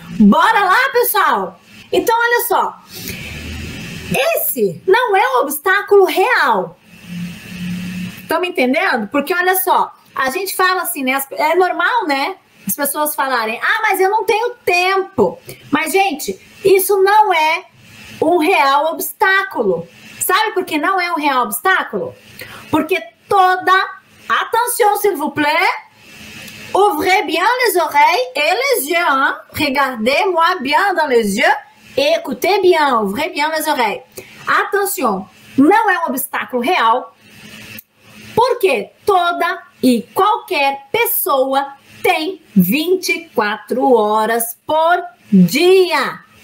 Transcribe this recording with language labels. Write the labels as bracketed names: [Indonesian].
[Portuguese] Bora lá, pessoal! Então, olha só, esse não é o obstáculo real. Estão me entendendo? Porque, olha só, a gente fala assim, né? É normal, né? As pessoas falarem, ah, mas eu não tenho tempo. Mas, gente, isso não é um real obstáculo. Sabe por que não é um real obstáculo? Porque toda... [French] Attention, s'il vous plaît. Ouvrez bien les oreilles et les yeux. Hein? Regardez-moi bien dans les yeux. Et écoutez bien. Ouvrez bien les oreilles. [Portuguese] Attention, não é um obstáculo real. Porque toda e qualquer pessoa tem 24 horas por dia.